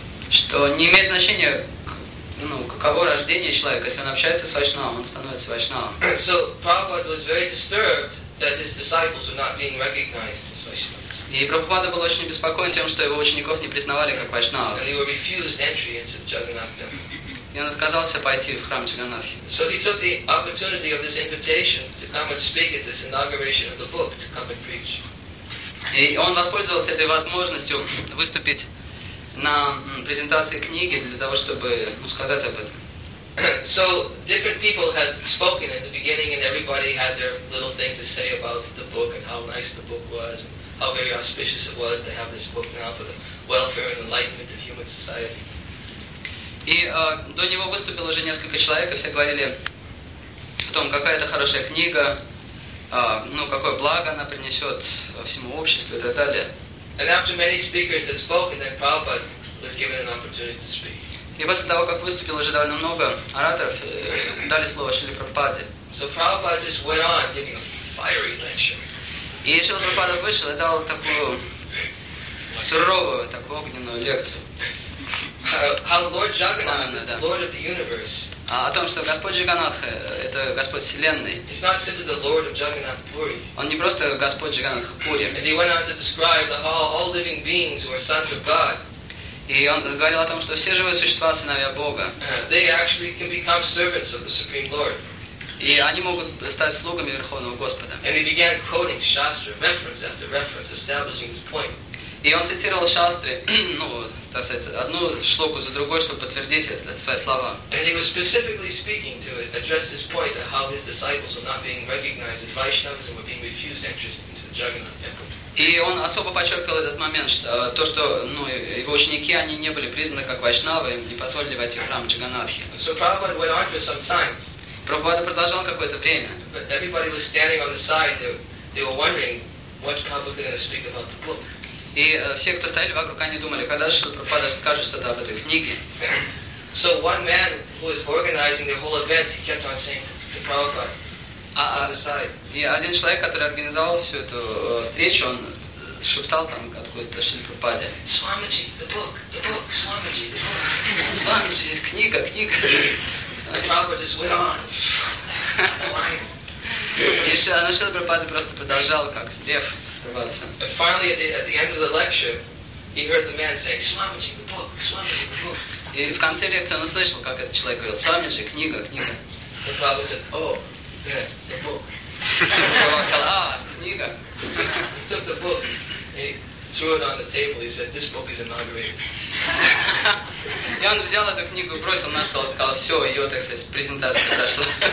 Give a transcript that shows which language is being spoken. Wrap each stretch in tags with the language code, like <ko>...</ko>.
<ru>Что не имеет значения, ну, каково рождение человека, если он общается с вайшнавом, он становится вайшнавом.</ru> <en>So Prabhupada was very disturbed that his disciples were not being recognized as vaishnavas.</en> <ru>И Прабхупада был очень обеспокоен тем, что его учеников не признавали как вайшнавов.</ru> <en>And he were refused entry into the Jagannath temple.</en> <ru>И он отказался пойти в храм Джаганнатхи.</ru> <en>So he took the opportunity of this invitation to come and speak at this inauguration of the book, to come and preach.</en> <ru>И он воспользовался этой возможностью выступить на презентации книги для того, чтобы, ну, сказать об этом.</ru> <en>So different people had spoken in the beginning, and everybody had their little thing to say about the book and how nice the book was, and how very auspicious it was to have this book now for the welfare and enlightenment of human society.</en> <ru>И до него выступило уже несколько человек, и все говорили о том, какая это хорошая книга, ну, какое благо она принесет всему обществу и так далее.</ru> <en>And after many speakers had spoken, then Prabhupada was given an opportunity to speak.</en> <ru>И после того, как выступило уже довольно много ораторов, дали слово Шриле Прабхупаде.</ru> <en>So Prabhupada just went on giving a fiery lecture.</en> <ru>И Шрила Прабхупада вышел и дал такую суровую, такую огненную лекцию.</ru> <en>How Lord Jagannath is the Lord of the universe.</en> <ru>О том, что Господь Джаганатха — это Господь Вселенной.</ru> <en>He's not simply the Lord of Jagannath Puri.</en> <ru>Он не просто Господь Джаганатха Пури.</ru> <en>And he went on to describe the hall, all living beings who are sons of God.</en> <ru>И он говорил о том, что все живые существа — сыновья Бога.</ru> <en>They actually can become servants of the Supreme Lord.</en> <ru>И они могут стать слугами Верховного Господа.</ru> <en>And he began quoting Shastra reference after reference, establishing his point.</en> <ru>И он цитировал шастры, ну, так сказать, одну шлоку за другой, чтобы подтвердить это свои слова.</ru> <en>And he was specifically speaking to it, address this point that how his disciples were not being recognized as Vaishnavas and were being refused entry into the Jagannath temple.</en> <ru>И он особо подчеркивал этот момент, что то, что, ну, его ученики, они не были признаны как вайшнавы, им не позволили войти в храм Джаганатхи.</ru> <en>So Prabhupada went on for some time.</en> <ru>Прабхупада продолжал какое-то время.</ru> <en>But everybody was standing on the side, they were wondering what Prabhupada going to speak about the book.</en> <ru>И все, кто стояли вокруг, они думали, когда же Шрила Прабхупада скажет что-то об этой книге.</ru> <en>So one man who was organizing the whole event, he kept on saying to Prabhupada, on the side.</en> <ru>И один человек, который организовал всю эту встречу, он шептал там какой-то Шриле Прабхупаде.</ru> <en>Swamiji, the book, Swamiji, the book.</en> <ru>Swamiji, книга, книга.</ru> <en>And Prabhupada just went on.</en> <ru>И Шрила Прабхупада просто продолжал, как лев.</ru> <en>And finally, at the end of the lecture, he heard the man saying, "Swamiji, the book, Swamiji, the book."</en> <ru>И в конце лекции он услышал, как этот человек говорил, "Swamiji, книга, книга."</ru> <en>The Prabhupada said, "Oh, yeah, the book."</en> <ru>Сказал, "А, книга."</ru> <en>He took the book, he threw it on the table. He said, "This book is inaugurated."</en> <ru>И он взял эту книгу, бросил на стол, сказал, "Все, ее, так сказать, презентация прошла."</ru>